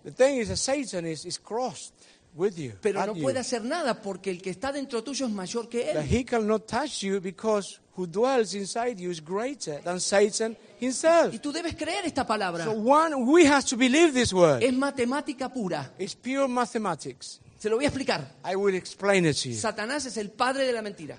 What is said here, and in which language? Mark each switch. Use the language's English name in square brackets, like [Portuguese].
[English] The thing is that Satan is cross with you. [Spanish] Pero no puede hacer nada porque el que está dentro tuyo es mayor que él. [English] That he cannot touch you because who dwells inside you is greater than Satan himself. [Spanish] Y tú debes creer esta palabra. [English] So one, we have to believe this word. [Spanish] Es matemática pura. [English] It's pure mathematics. [Spanish] Se lo voy a explicar. [English] I will explain it to you. [Spanish] Satanás es el padre de la mentira.